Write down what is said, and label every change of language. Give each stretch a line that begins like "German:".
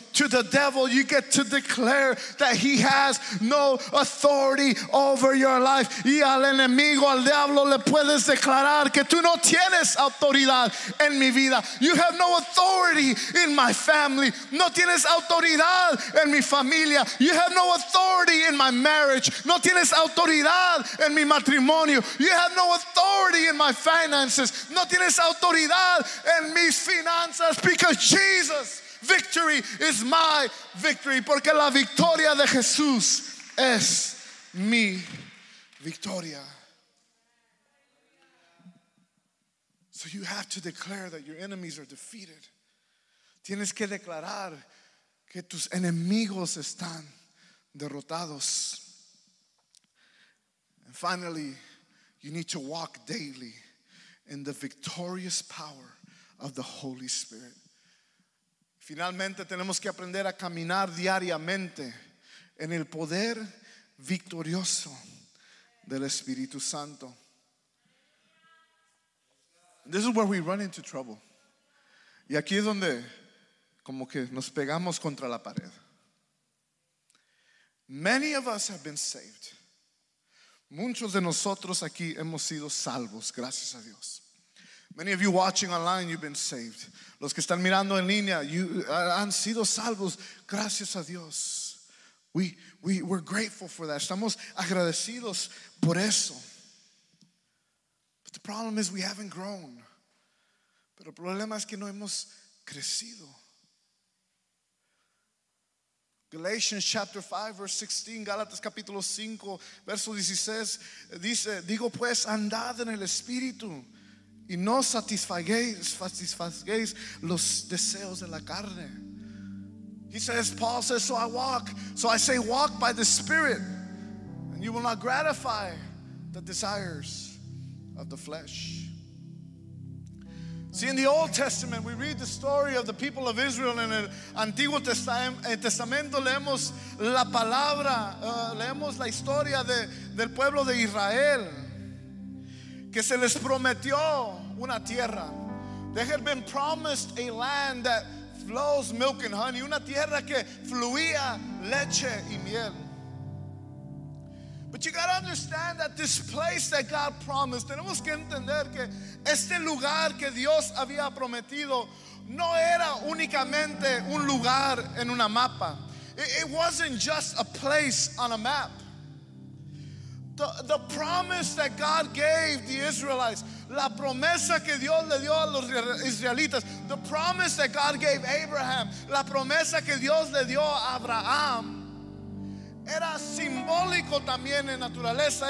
English: To the devil, you get to declare that he has no authority over your life.
Spanish: Y al enemigo, al diablo, le puedes declarar que tú no tienes autoridad en mi vida.
English: You have no authority in my family.
Spanish: No tienes autoridad en mi familia.
English: You have no authority in my marriage.
Spanish: No tienes autoridad en mi matrimonio.
English: You have no authority in my finances.
Spanish: No tienes autoridad en mis finanzas
English: because Jesus. Victory is my victory.
Spanish: Porque la victoria de Jesús es mi victoria.
English: So you have to declare that your enemies are defeated.
Spanish: Tienes que declarar que tus enemigos están derrotados.
English: And finally, you need to walk daily in the victorious power of the Holy Spirit.
Spanish: Finalmente tenemos que aprender a caminar diariamente en el poder victorioso del Espíritu Santo.
English: This is where we run into trouble.
Spanish: Y aquí es donde como que nos pegamos contra la pared.
English: Many of us have been saved.
Spanish: Muchos de nosotros aquí hemos sido salvos, gracias a Dios.
English: Many of you watching online, you've been saved.
Spanish: Los que están mirando en línea, you han sido salvos, gracias a Dios.
English: We're grateful for that.
Spanish: Estamos agradecidos por eso.
English: But the problem is we haven't grown.
Spanish: Pero el problema es que no hemos crecido.
English: Galatians chapter 5 verse 16,
Spanish: Galatas capítulo 5 verso 16 dice, digo pues andad en el espíritu. Y no satisfagueis los deseos de la carne.
English: He says, Paul says, so I walk. So I say, walk by the Spirit. And you will not gratify the desires of the flesh. See, in the Old Testament, we read the story of the people of Israel.
Spanish: In el Antiguo Testamento leemos la palabra, leemos la historia del pueblo de Israel. Que se les prometió una tierra.
English: They had been promised a land that flows milk and honey.
Spanish: Una tierra que fluía leche y miel.
English: But you got to understand that this place that God promised.
Spanish: Tenemos que entender que este lugar que Dios había prometido no era únicamente un lugar en una mapa.
English: It wasn't just a place on a map. The promise that God gave the Israelites,
Spanish: la promesa que Dios le dio a los israelitas,
English: the promise that God gave Abraham,
Spanish: la promesa que Dios le dio a Abraham, era simbólico también en naturaleza.